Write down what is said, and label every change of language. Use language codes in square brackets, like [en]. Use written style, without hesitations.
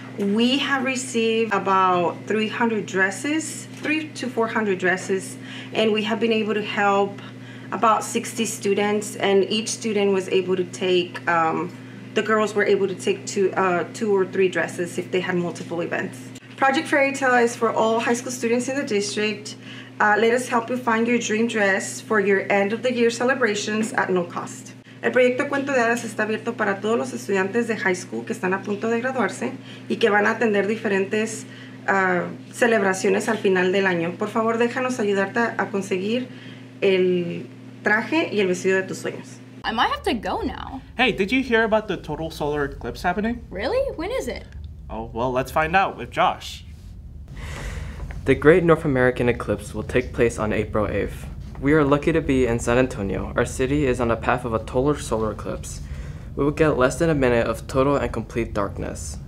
[en] We have received about 300 to 400 dresses, and we have been able to help about 60 students, and each student was able to take, the girls were able to take two or three dresses if they had multiple events. Project Fairy Tale is for all high school students in the district. Let us help you find your dream dress for your end of the year celebrations at no cost. [es] El proyecto Cuento de Hadas está abierto para todos los estudiantes de high school que están a punto de graduarse y que van a atender diferentes celebraciones al final del año. Por favor, déjanos ayudarte a conseguir el traje y el vestido de tus sueños. [en] I might have to go now. Hey, did you hear about the total solar eclipse happening? Really? When is it? Oh, well, let's find out with Josh. The Great North American Eclipse will take place on April 8th. We are lucky to be in San Antonio. Our city is on the path of a total solar eclipse. We will get less than a minute of total and complete darkness.